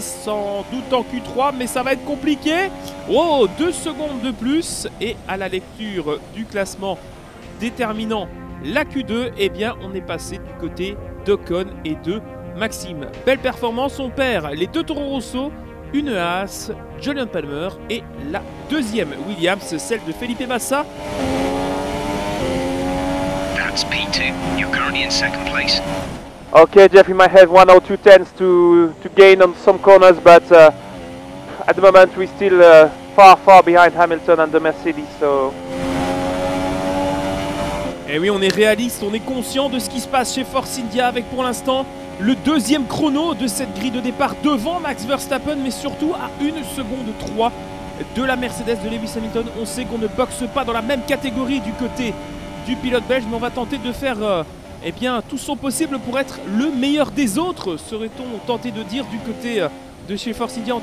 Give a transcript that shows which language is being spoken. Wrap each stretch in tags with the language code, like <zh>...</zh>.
<fr>Sans doute en Q3, mais ça va être compliqué. Oh, 2 secondes de plus, et à la lecture du classement déterminant la Q2, eh bien on est passé du côté d'Ocon et de Maxime. Belle performance, on perd les deux Toro Rosso, une Haas, Julian Palmer et la deuxième Williams, celle de Felipe Massa.</fr> <en>That's P2, you're currently in second place. Okay, Jeff, we might have one or two tenths to gain on some corners, but at the moment we're still far, far behind Hamilton and the Mercedes, so...</en> <fr>Et oui, on est réaliste, on est conscient de ce qui se passe chez Force India avec pour l'instant le deuxième chrono de cette grille de départ devant Max Verstappen, mais surtout à 1.03 seconde de la Mercedes de Lewis Hamilton. On sait qu'on ne boxe pas dans la même catégorie du côté du pilote belge, mais on va tenter de faire eh bien, tout son possible pour être le meilleur des autres, serait-on tenté de dire, du côté de chez Force India.</fr>